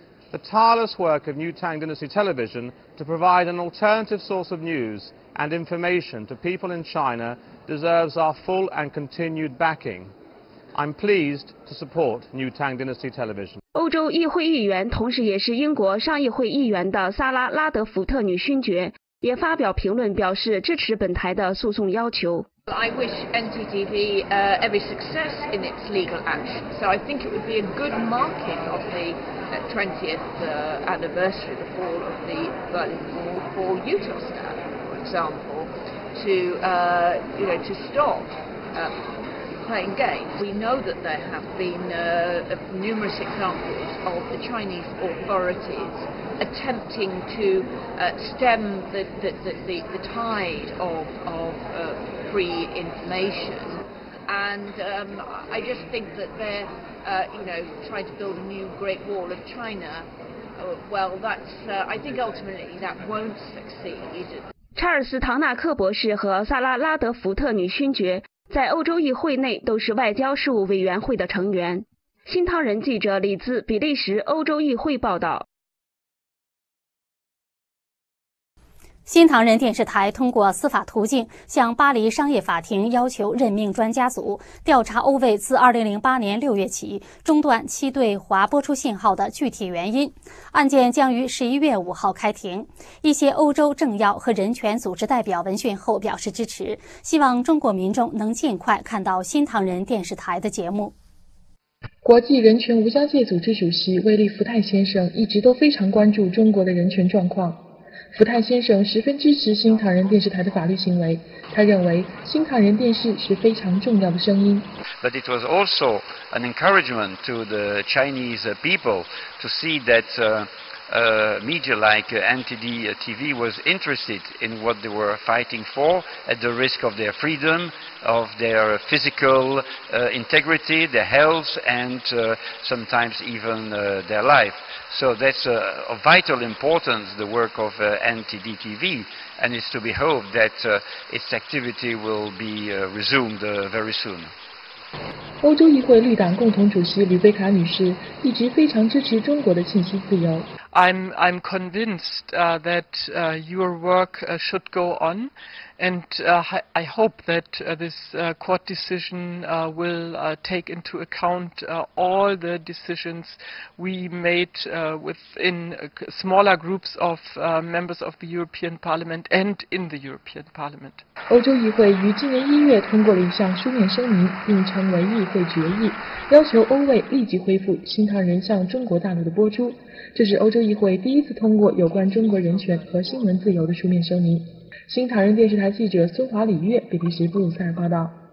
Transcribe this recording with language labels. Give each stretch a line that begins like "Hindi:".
English: The tireless work of New Tang Dynasty Television to provide an alternative source of news and information to people in China deserves our full and continued backing. I'm pleased to support New Tang Dynasty Television.
Chinese: 欧洲议会议员，同时也是英国上议会议员的萨拉·拉德福特女勋爵也发表评论，表示支持本台的诉讼要求。
English: I wish NTTV every success in its legal action. So I think it would be a good marking of the 20th anniversary, the fall of the Berlin Wall, for Eutelsat, for example, to stop playing games. We know that there have been numerous examples of the Chinese authoritiesattempting to stem the tide of free information, and I just think that they're trying to build a new Great Wall of China. Well, that's I think ultimately that won't succeed.
Chinese: 查尔斯·唐纳克博士和萨拉·拉德福特女勋爵在欧洲议会内都是外交事务委员会的成员。新唐人记者李兹，比利时欧洲议会报道。新唐人电视台通过司法途径向巴黎商业法庭要求任命专家组，调查欧卫自2008年6月起中断其对华播出信号的具体原因。案件将于11月5号开庭。一些欧洲政要和人权组织代表闻讯后表示支持，希望中国民众能尽快看到新唐人电视台的节目。国际人权无疆界组织主席威利·福泰先生一直都非常关注中国的人权状况。福泰先生十分支持新唐人电视台的法律行为，他认为新唐人电视是非常重要的声音。
English: But it was also an encouragement to the Chinese people to see that media like NTTV was interested in what they were fighting for at the risk of their freedom, of their physical integrity, their health, and sometimes even their life. So that's of vital importance, the work of NTTV, and it's to be hoped that its activity will be resumed very soon.
Chinese: 欧洲议会绿党共同主席吕贝卡女士一直非常支持中国的信息自由。
English: I'm convinced that your work should go on, and I hope that this court decision will take into account all the decisions we made within smaller groups of members of the European Parliament and in the European Parliament.
Chinese: 欧洲议会于今年一月通过了一项书面声明，并成为议会决议，要求欧卫立即恢复新唐人向中国大陆的播出。这是欧洲议会第一次通过有关中国人权和新闻自由的书面声明。新唐人电视台记者孙华、李月，比利时布鲁塞尔报道。